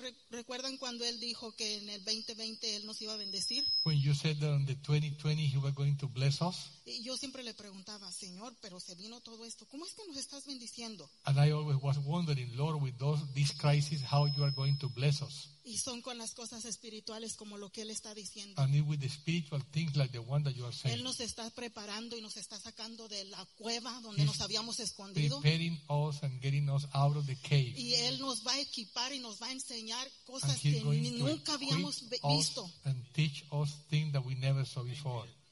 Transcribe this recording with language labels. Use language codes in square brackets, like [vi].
[es] ¿Recuerdan cuando él dijo que en el 2020 él nos iba a bendecir? [en] When you said that in the 2020 he was going to bless us. [es] Y yo siempre le preguntaba, Señor, pero se vino todo esto, ¿cómo es que nos estás bendiciendo? [en] And I always was wondering, Lord, with this crisis, how you are going to bless us. [es] Y son con las cosas espirituales como lo que él está diciendo. [en] And it with the spiritual things like the one that you are saying. [es] Él nos está preparando y nos está sacando de la cueva donde He's nos habíamos escondido. [en] Preparing us and getting us out of the cave. [es] Y él nos va a equipar y nos va a enseñar cosas que nunca habíamos visto. [en] And teach us things that we never saw before.